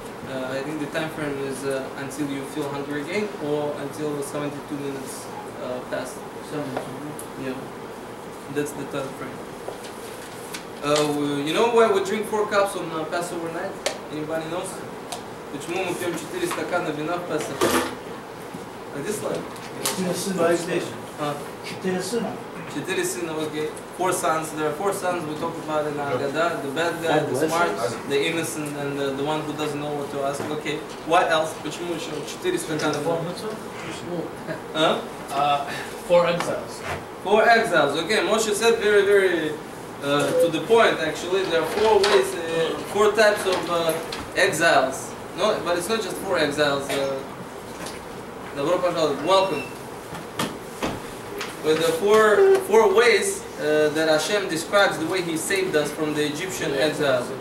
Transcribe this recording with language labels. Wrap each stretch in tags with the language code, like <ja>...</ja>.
<en>I think the time frame is until you feel hungry again, or until 72 minutes pass. 72 minutes? Yeah. That's the time frame. You know why we drink four cups on Passover night? Anybody knows?</en> <ru>Почему мы пьем 4 стакана вина в Песах? Один слайд? 4 сына. 4 сына. 4 сына, окей.</ru> <en>4 sons. There are 4 sons we talk about in Агада. The bad guy, the smart, the innocent, and the one who doesn't know what to ask. Okay. What else?</en> <ru>Почему еще 4 стакана вина?</ru> <en>4 exiles. 4 exiles. Okay. Moshe said very, very to the point, actually. There are 4 ways, 4 types of exiles. No, but it's not just 4 exiles.</en> <ru>Добро пожаловать.</ru> <en>Welcome. With the four ways that Hashem describes the way He saved us from the Egyptian exile.</en>